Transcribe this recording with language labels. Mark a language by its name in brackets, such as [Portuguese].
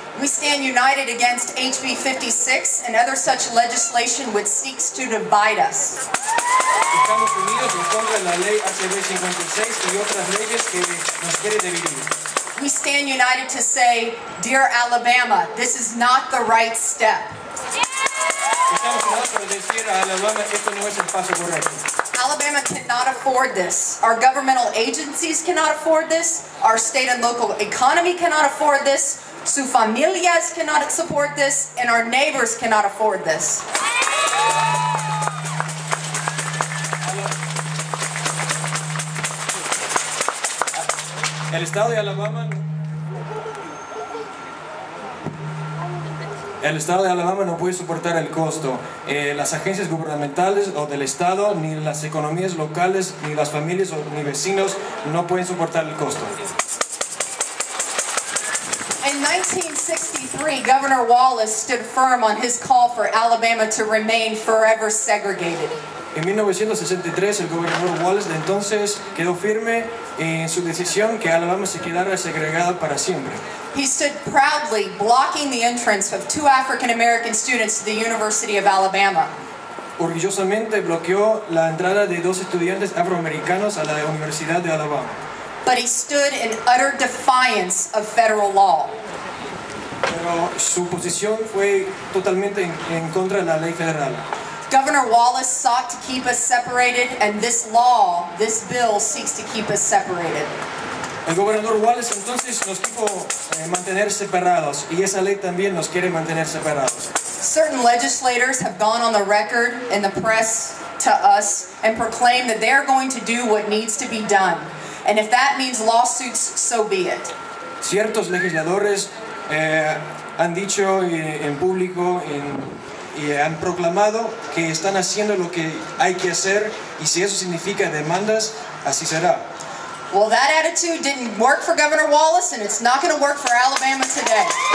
[English] We stand united against HB 56 and other such legislation which seeks to divide us. [Spanish] Estamos unidos en contra de la ley HB 56 y otras leyes que nos quieren dividir. [English] We stand united to say, dear Alabama, this is not the right step. [Spanish] Estamos unidos para decir a Alabama, esto no es el paso correcto. [English] Alabama cannot afford this. Our governmental agencies cannot afford this. Our state and local economy cannot afford this. [Spanish] Sus familias [English] cannot support this, and our neighbors cannot afford this. [Spanish] El estado de Alabama. El estado de Alabama no puede soportar el costo. Las agencias gubernamentales o del estado, ni las economías locales, ni las familias o ni vecinos no pueden soportar el costo. [English] In 1963, Governor Wallace stood firm on his call for Alabama to remain forever segregated. [Spanish] En 1963, el gobernador Wallace de entonces quedó firme en su decisión que Alabama se quedara segregada para siempre. [English] He stood proudly blocking the entrance of two African-American students to the University of Alabama. [Spanish] Orgullosamente bloqueó la entrada de dos estudiantes afroamericanos a la Universidad de Alabama. [English] But he stood in utter defiance of federal law. [Spanish] Pero su posición fue totalmente en contra de la ley federal. [English] Governor Wallace sought to keep us separated, and this law, this bill, seeks to keep us separated. [Spanish] El gobernador Wallace entonces nos quiso mantener separados, y esa ley también nos quiere mantener separados. [English] Certain legislators have gone on the record in the press to us and proclaimed that they are going to do what needs to be done. And if that means lawsuits, so be it. [Spanish] Ciertos legisladores han dicho en público y han proclamado que están haciendo lo que hay que hacer, y si eso significa demandas, así será. [English] Well, that attitude didn't work for Governor Wallace, and it's not going to work for Alabama today.